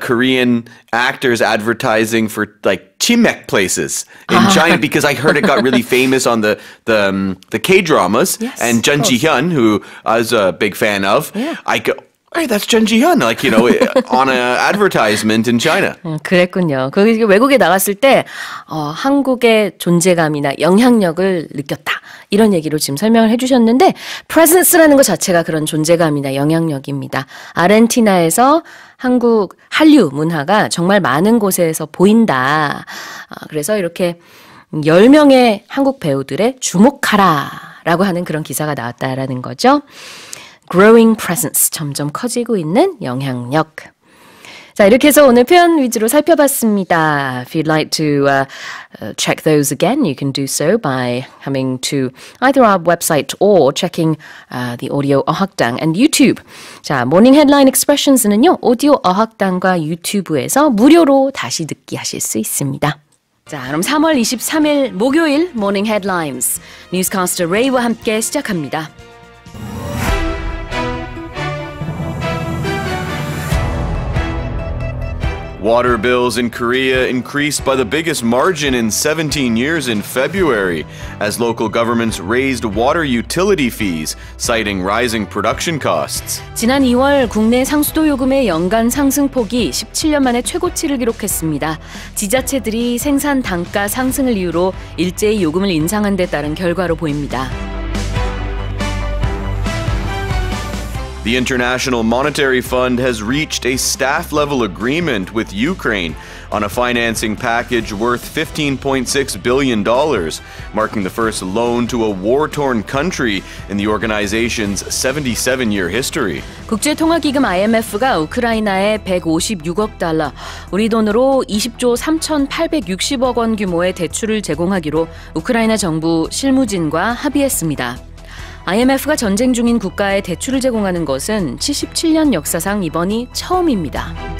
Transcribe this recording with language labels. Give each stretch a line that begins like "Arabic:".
English: Korean actors advertising for like chimek places in China because I heard it got really famous on the K-dramas. Yes, and Jun Ji-hyun, who I was a big fan of, yeah. I go, hey, that's Jun Ji-hyun, like, you know, on an advertisement in China.
Korean: 그랬군요. 그리고 외국에 나갔을 때 한국의 존재감이나 영향력을 느꼈다. 이런 얘기로 지금 설명을 해주셨는데 presence라는 것 자체가 그런 존재감이나 영향력입니다. 아르헨티나에서 한국 한류 문화가 정말 많은 곳에서 보인다. 그래서 이렇게 10명의 한국 배우들의 주목하라 라고 하는 그런 기사가 나왔다라는 거죠.
English: Growing presence,
Korean: 점점 커지고 있는 영향력. 자, 이렇게 해서 오늘 표현 위주로 살펴봤습니다.
English: If you'd like to check those again, you can do so by coming to either our website or checking the audio 어학당 and YouTube.
Korean: 자, morning headline expressions는요, 오디오 어학당과 유튜브에서 무료로 다시 듣기 하실 수 있습니다. 자, 그럼 3월 23일 목요일 morning headlines. 뉴스캐스터 레이와 함께 시작합니다.
English: Water bills in Korea increased by the biggest margin in 17 years in February as local governments raised water utility fees, citing rising production costs.
Korean: 지난 2월 국내 상수도 요금의 연간 상승폭이 17년 만에 최고치를 기록했습니다. 지자체들이 생산 단가 상승을 이유로 일제히 요금을 인상한 데 따른 결과로 보입니다.
English: The International Monetary Fund has reached a staff-level agreement with Ukraine on a financing package worth $15.6 billion, marking the first loan to a war-torn country in the organization's 77-year history.
Korean: 국제통화기금 IMF가 우크라이나에 156억 달러, 우리 돈으로 20조 3,860억 원 규모의 대출을 제공하기로 우크라이나 정부 실무진과 합의했습니다. IMF가 전쟁 중인 국가에 대출을 제공하는 것은 77년 역사상 이번이 처음입니다.